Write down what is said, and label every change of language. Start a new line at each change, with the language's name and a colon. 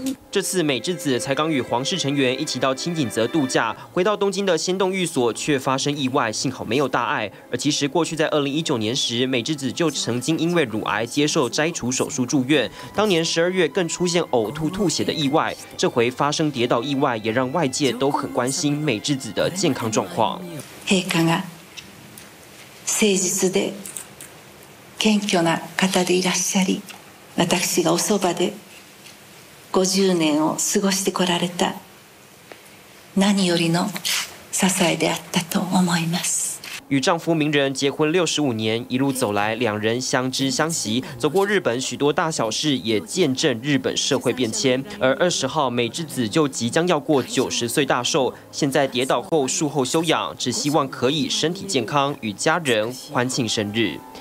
Chinese: 这次美智子才刚与皇室成员一起到清景泽度假，回到东京的仙洞寓所却发生意外，幸好没有大碍。而其实过去在2019年时，美智子就曾经因为乳癌接受摘除手术住院，当年12月更出现呕吐吐血的意外，这回发生跌倒意外，也让外界都很关心美智子的健康状况。
Japanese: 誠実で謙虚な方でいらっしゃり、私がおそばで50年を過ごしてこられた何よりの支えであったと思います。
Chinese: 与丈夫名人结婚65年，一路走来，两人相知相惜，走过日本许多大小事，也见证日本社会变迁。而20号，美智子就即将要过90岁大寿，现在跌倒后术后休养，只希望可以身体健康，与家人欢庆生日。